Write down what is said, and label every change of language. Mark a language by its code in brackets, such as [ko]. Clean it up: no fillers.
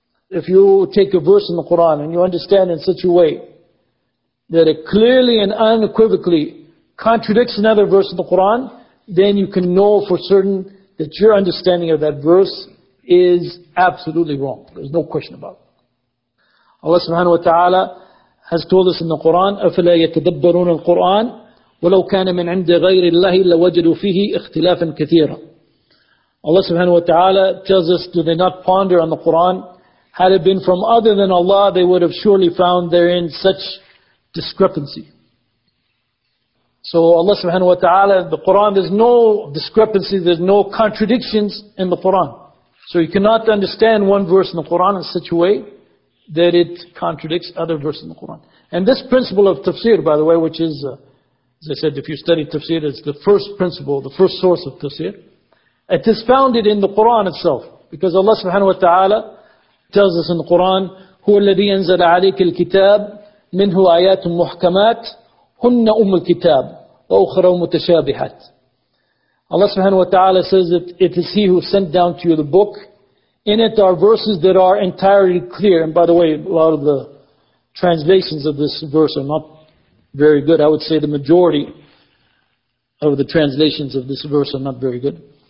[en] If you take a verse in the Quran and you understand in such a way that it clearly and unequivocally contradicts another verse of the Quran, then you can know for certain that your understanding of that verse is absolutely wrong. There's no question about it. Allah subhanahu wa ta'ala has told us in the Quran, [ar] أَفَلَا يَتَدَبَّرُونَ الْقُرْآنَ وَلَوْ كَانَ مِنْ عِنْدِ غَيْرِ اللَّهِ لَوَجَدُوا فِيهِ اِخْتِلَافًا كَثِيرًا. [en] Allah subhanahu wa ta'ala tells us, do they not ponder on the Quran? Had it been from other than Allah, they would have surely found therein such discrepancy. So Allah subhanahu wa ta'ala, the Quran, there's no discrepancy, there's no contradictions in the Quran. So you cannot understand one verse in the Quran in such a way that it contradicts other verses in the Quran. And this principle of tafsir, by the way, which is, as I said, if you study tafsir, it's the first principle, the first source of tafsir. It is founded in the Quran itself. Because Allah subhanahu wa ta'ala tells us in the Quran, [ar] هُوَ الَّذِي أَنزَلَ عَلَيْكَ الْكِتَابِ مِنْهُ آيَاتٌ مُحْكَمَاتٌ هُنَّ أُمُّ الْكِتَابِ وَأُخْرَوْ مُتَشَابِحَاتٌ. [en] Allah subhanahu wa ta'ala says that it is He who sent down to you the book. In it are verses that are entirely clear. And by the way, a lot of the translations of this verse are not very good. I would say the majority of the translations of this verse are not very good.